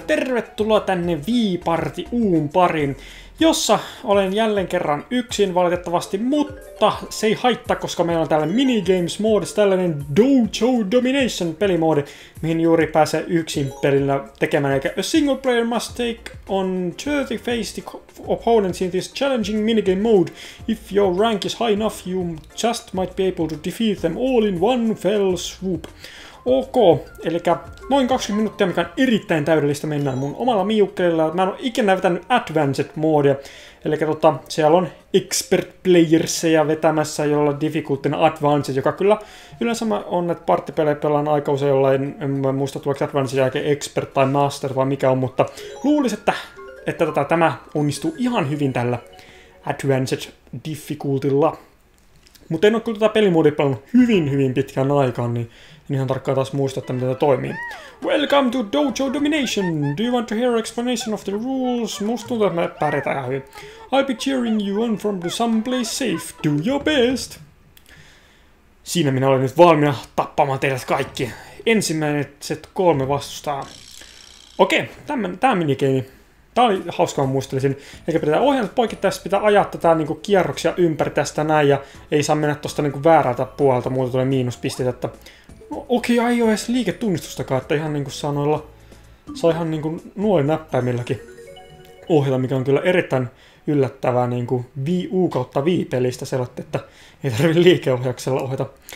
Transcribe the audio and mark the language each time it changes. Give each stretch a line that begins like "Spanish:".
Finnish: Tervetuloa tänne Viiparti Uun pariin, jossa olen jälleen kerran yksin valitettavasti, mutta se ei haittaa, koska meillä on täällä minigames moodissa tällainen Dojo Domination pelimoodi, mihin juuri pääsee yksin pelillä tekemään.
English: Eikä a single player must take on 30 faced opponents in this challenging minigame mode. If your rank is high enough, you just might be able to defeat them all in one fell swoop.
Finnish: Ok, eli noin 20 minuuttia, mikä on erittäin täydellistä, mennään mun omalla miukkeella. Mä en ole ikinä vetänyt advanced moodia, eli siellä on expert playersia vetämässä, jolla on difficulten advanced, joka kyllä yleensä mä on, että partipelejä pelaan aika usein jollain, en muista tuleeko advanced jälkeen expert tai master vai mikä on, mutta luulisin, että tämä onnistuu ihan hyvin tällä advanced difficultilla. Mutta en ole kyllä tätä pelimoodia pelannut hyvin pitkään aikaan, niin en ihan tarkkaan taas muista, että miten tämä toimii.
English: Welcome to Dojo Domination! Do you want to hear an explanation of the rules?
Finnish: Musta tuntuu, että me pärjätään ihan hyvin.
English: I'll be cheering you on from the someplace safe. Do your best!
Finnish: Siinä minä olen nyt valmiina tappamaan teidät kaikki. Ensimmäiset 3 vastustaa. Okei, tämä minigame. Tää oli hauska, mä muistelisin. Eli pitää ohjata poikittaisesti, pitää ajaa tätä niinku kierroksia ympäri tästä näin, ja ei saa mennä tosta niinku väärältä puolelta, muuta tulee miinuspisteet, että no, okei, ei oo edes liiketunnistustakaan, että ihan niinku saa noilla, saa ihan niinku nuolinäppäimilläkin ohjata, mikä on kyllä erittäin yllättävää niinku U/V pelistä sellaista, että ei tarvi liikeohjauksella ohjata.